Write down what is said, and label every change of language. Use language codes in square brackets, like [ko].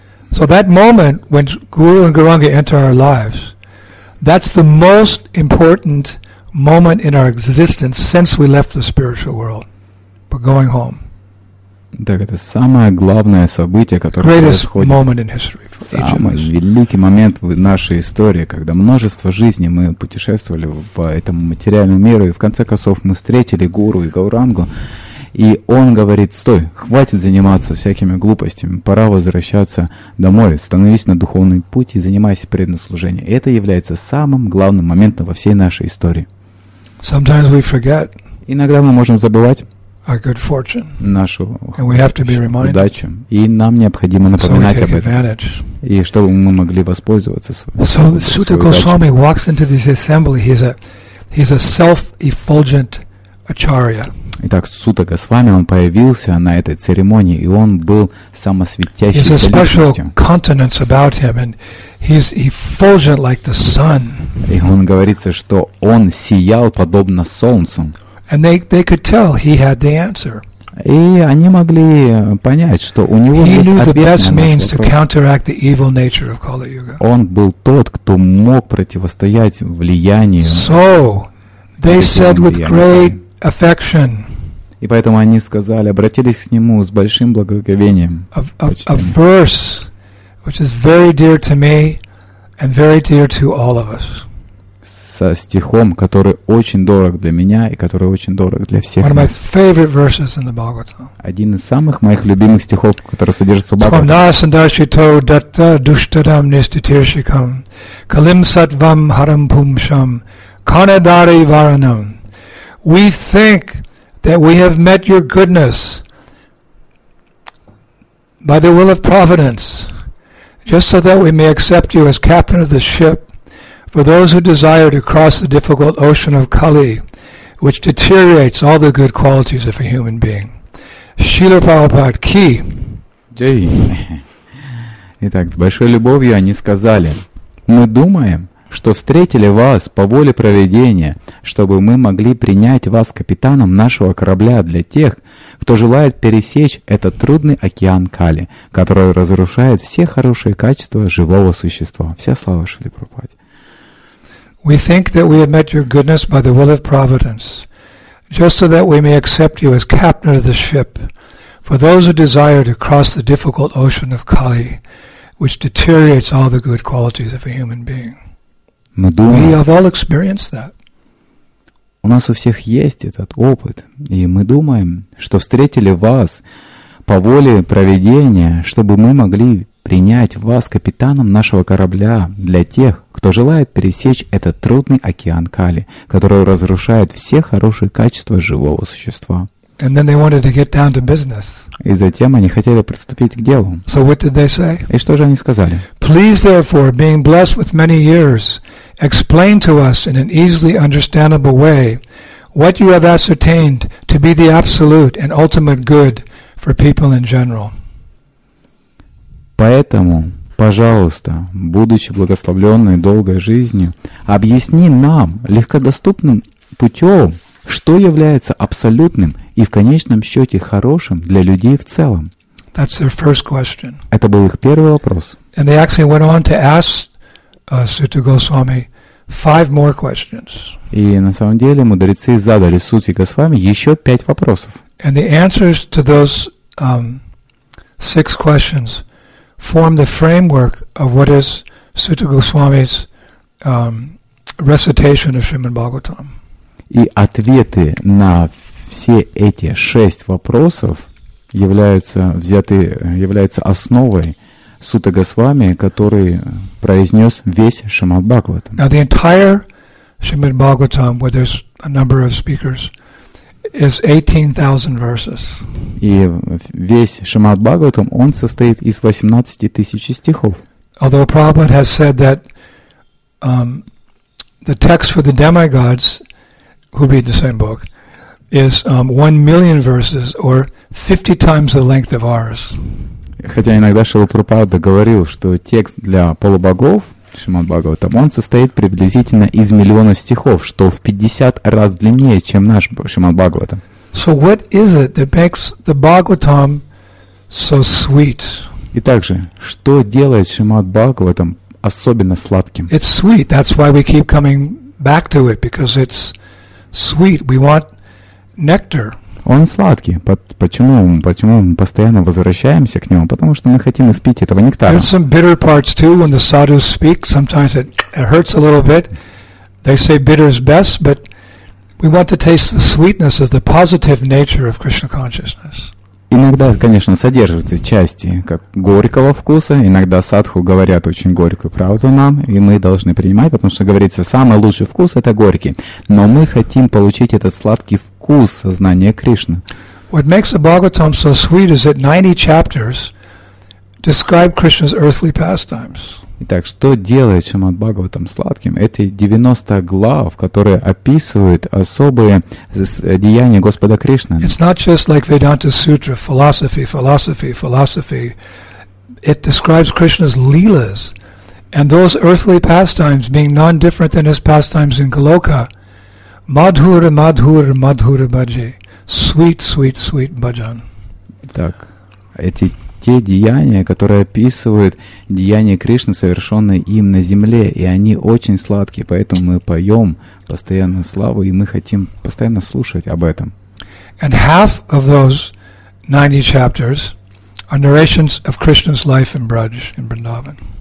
[en] So that moment when Guru and Gauranga enter our lives, that's the most important moment in our existence since we left the spiritual world. We're going home. [ru] Так, это самое главное событие, которое [en] Greatest [ru] происходит. [en] Moment in history for each of us. [ru] Самый великий момент в нашей истории, когда множество жизней мы путешествовали по этому материальному миру, и в конце концов мы встретили Гуру и Гаурангу. И он говорит, стой, хватит заниматься всякими глупостями, пора возвращаться домой, становись на духовный путь и занимайся преданным. Это является самым главным моментом во всей нашей истории. [en] Sometimes we forget. [ru] Иногда мы можем забывать [en] our good fortune, [ru] нашу [en] and we have to be reminded. [ru] Удачу, и нам необходимо напоминать [en] so we take [ru] об этом. [en] Advantage. [ru] И чтобы мы могли воспользоваться [en] So Sutta Goswami walks into this assembly, he's a self-effulgent acharya. [ru] Итак, Сутта Госвами, он появился на этой церемонии, и он был самосветящейся личностью. [en] He has a special countenance about him, and he's effulgent like the sun. [ru] И он говорится, что он сиял подобно солнцу. [en] And they could tell he had the answer. [ru] И они могли понять, что у него [en] he [ru] есть ответ [en] the best [ru] на наш вопрос. [en] Means to counteract the evil nature of Kali-Yuga. [ru] Он был тот, кто мог противостоять влиянию. [en] So, they said with great affection. [ru] И поэтому они сказали, обратились к нему с большим благоговением. [en] A verse which is very dear to me and very dear to all of us. [ru] Со стихом, который очень дорог для меня и который очень дорог для всех [en] One [ru] нас. [en] One of my favorite verses in the Bhagavatam. [ru] Один из самых моих любимых стихов, который содержится в Бхагаватам. [sa] Свам насандарши то датта душтадам ниститиршикам калим сатвам харам пумшам канадари варанам. [en] We think that we have met your goodness by the will of providence, just so that we may accept you as captain of the ship for those who desire to cross the difficult ocean of Kali, which deteriorates all the good qualities of a human being. [hi] Srila Prabhupada ki. Jai. [ru] Итак, с большой любовью они сказали, мы думаем, что встретили вас по воле провидения, чтобы мы могли принять вас капитаном нашего корабля для тех, кто желает пересечь этот трудный океан Кали, который разрушает все хорошие качества живого существа. Вся слава Шри Прабхупаде. [en] We think that we have met your goodness by the will of providence, just so that we may accept you as captain of the ship for those who desire to cross the difficult ocean of Kali, which deteriorates all the good qualities of a human being. [ru] Мы думаем, [en] we have all experienced that. [ru] У нас у всех есть этот опыт, и мы думаем, что встретили вас по воле провидения, чтобы мы могли принять вас капитаном нашего корабля для тех, кто желает пересечь этот трудный океан Кали, который разрушает все хорошие качества живого существа. [en] And then they wanted to get down to business. [ru] И затем они хотели приступить к делу. [en] So what did they say? [ru] И что же они сказали? [en] Please, therefore, being blessed with many years explain to us in an easily understandable way what you have ascertained to be the absolute and ultimate good for people in general. [ru] Поэтому, пожалуйста, будучи благословленной долгой жизнью, объясни нам легкодоступным путем, что является абсолютным и в конечном счете хорошим для людей в целом. [en] That's their first question. [ru] Это был их первый вопрос. [en] And they actually went on to ask Sutta Goswami five more questions. [ru] И на самом деле мудрецы задали Сутте Госвами еще пять вопросов. [en] And the answers to those six questions form the framework of what is Sutta Goswami's recitation of Srimad Bhagavatam. [ru] И ответы на все эти шесть вопросов являются основой Сутты Госвами, который произнес весь Шримад Бхагаватам. [en] Now the entire Shrimad Bhagavatam, where there's a number of speakers, is 18,000 verses. [ru] И весь Шримад Бхагаватам, он состоит из 18 тысяч стихов. [en] Although Prabhupada has said that the text for the demigods who read the same book is 1 million verses or 50 times the length of ours. [ru] Хотя иногда Шрила Прабхупада говорил, что текст для полубогов Шримад Бхагаватам, он состоит приблизительно из миллиона стихов, что в 50 раз длиннее, чем наш Шримад Бхагаватам. [en] So what is it that makes the Bhagavatam so sweet? [ru] И также, что делает Шримад Бхагаватам особенно сладким? [en] It's sweet. That's why we keep coming back to it, because it's sweet. We want nectar. [ru] Он сладкий. Почему мы постоянно возвращаемся к нему? Потому что мы хотим испить этого нектара. [en] There's some bitter parts too when the sadhus speak. Sometimes it hurts a little bit. They say bitter is best, but we want to taste the sweetness of the positive nature of Krishna consciousness. [ru] Иногда, конечно, содержатся части как горького вкуса. Иногда садху говорят очень горькую правду нам, и мы должны принимать, потому что говорится, самый лучший вкус — это горький. Но мы хотим получить этот сладкий вкус сознания Кришны. [en] What makes the Bhagavatam so sweet is that 90 chapters describe Krishna's earthly pastimes. [ru] Итак, что делает Шримад Бхагаватам сладким? Это 90 глав, которые описывают особые деяния Господа Кришны. [en] It's not just like Vedanta Sutra, philosophy. It describes Krishna's leelas. And those earthly pastimes being non-different than his pastimes in Goloka. [sa] Madhura bhaji. [en] Sweet bhajan. [ru] Итак, эти те деяния, которые описывают деяния Кришны, совершенные им на земле, и они очень сладкие, поэтому мы поем постоянно славу, и мы хотим постоянно слушать об этом. [en] And half of those 90 chapters are narrations of Krishna's life in Braj, in Vrindavan.